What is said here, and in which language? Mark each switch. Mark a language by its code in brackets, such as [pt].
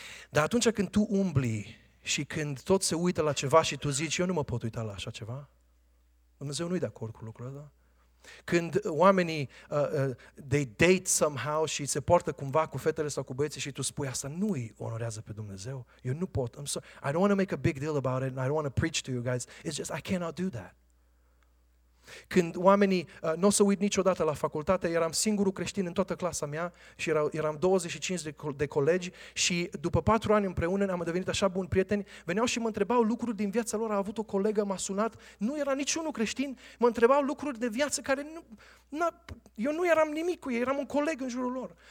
[ro] Dar atunci când tu umbli și când tot se uită la ceva și tu zici, eu nu mă pot uita la așa ceva, Dumnezeu nu-i de acord cu lucrurile, da? Când oamenii, [en] they date somehow [ro] și se poartă cumva cu fetele sau cu băieții și tu spui, asta nu-i onorează pe Dumnezeu. Eu nu pot. [en] I'm sorry. I don't want to make a big deal about it and I don't want to preach to you guys. It's just, I cannot do that. [ro] Când oamenii, nu o să uit niciodată la facultate, eram singurul creștin în toată clasa mea și eram 25 de colegi și după 4 ani împreună ne-am devenit așa buni prieteni, veneau și mă întrebau lucruri din viața lor, a avut o colegă, m-a sunat, nu era niciunul creștin, mă întrebau lucruri de viață care nu, eu nu eram nimic cu ei, eram un coleg în jurul lor.